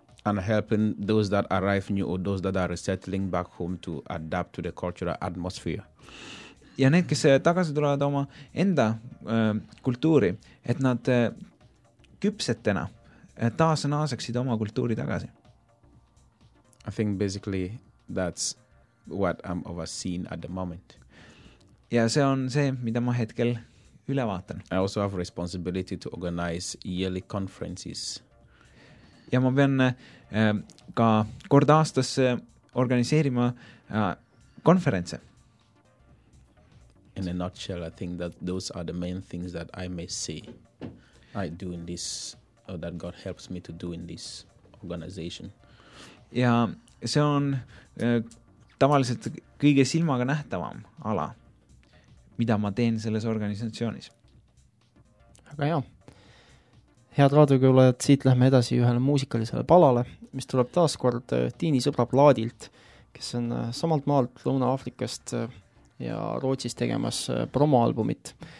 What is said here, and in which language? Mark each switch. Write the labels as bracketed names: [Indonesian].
[English] And helping those that arrive new or those that are settling back home to adapt to the cultural atmosphere. [Estonian] Ja need, kes tagasi tulevad oma enda kultuuri, et nad küpsetena taas naaseksid oma kultuuri tagasi. [English] I think basically that's what I'm overseeing at the moment. [Estonian] Ja see on see, mida ma hetkel ülevaatan. [English] I also have responsibility to organize yearly conferences. [Estonian] Ja ma pean ka kord aastas organiseerima konferentse. [English] In a nutshell, I think that those are the main things that I may see I do in this, or that God helps me to do in this organization. [Estonian] Ja see on tavaliselt kõige silmaga nähtavam ala. Mida ma teen selles organisatsioonis. Aga jah. Head raadiokuulajad, siit lähme edasi ühele muusikalisele palale, mis tuleb taas kord Tiini sõbra Plaadilt, kes on samalt maalt Lõuna-Aafrikast ja Rootsis tegemas promoalbumit.